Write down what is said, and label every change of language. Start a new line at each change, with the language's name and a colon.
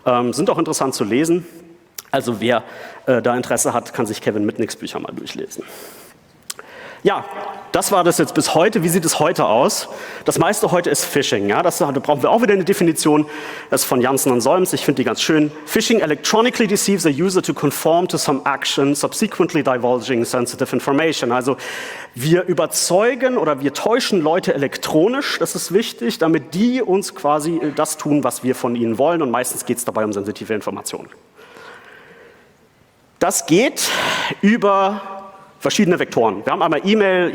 German: Sind auch interessant zu lesen. Also wer da Interesse hat, kann sich Kevin Mitnicks Bücher mal durchlesen. Ja, das war das jetzt bis heute. Wie sieht es heute aus? Das meiste heute ist Phishing. Ja? Das da brauchen wir auch wieder eine Definition. Das ist von Janssen und Solms. Ich finde die ganz schön.
English: Phishing electronically deceives a user to conform to some action, subsequently divulging sensitive information.
German: Also wir überzeugen oder wir täuschen Leute elektronisch. Das ist wichtig, damit die uns quasi das tun, was wir von ihnen wollen. Und meistens geht es dabei um sensitive Informationen. Das geht über verschiedene Vektoren. Wir haben einmal E-Mail.